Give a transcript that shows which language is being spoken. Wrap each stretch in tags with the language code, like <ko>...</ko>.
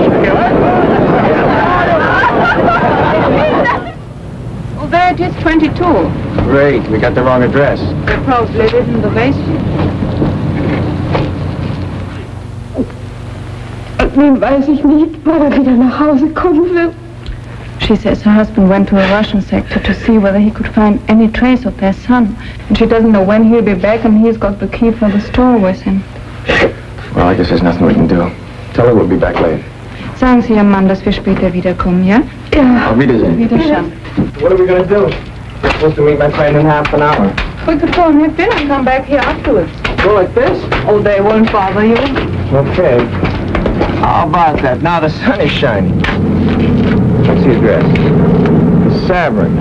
<en>Well, it is 22. Great, we got the wrong address. There probably isn't the basement.</en> <de>Nun weiß ich nicht, ob er wieder nach Hause kommen will.</de> <en>She says her husband went to a Russian sector to see whether he could find any trace of their son. And she doesn't know when he'll be back, and he's got the key for the store with him. Well, I guess there's nothing we can do. Tell her we'll be back later.</en> <de>Sagen Sie Ihrem Mann, dass wir später wiederkommen, ja? Ja. Auf Wiedersehen. Auf Wiedersehen.</de> <en>What are we going to do? We're supposed to meet my friend in half an hour. We could phone him in and come back here afterwards. Go like this? Oh, they won't bother you. Okay. How about that? Now the sun is shining. What's the address? Savarin.</en>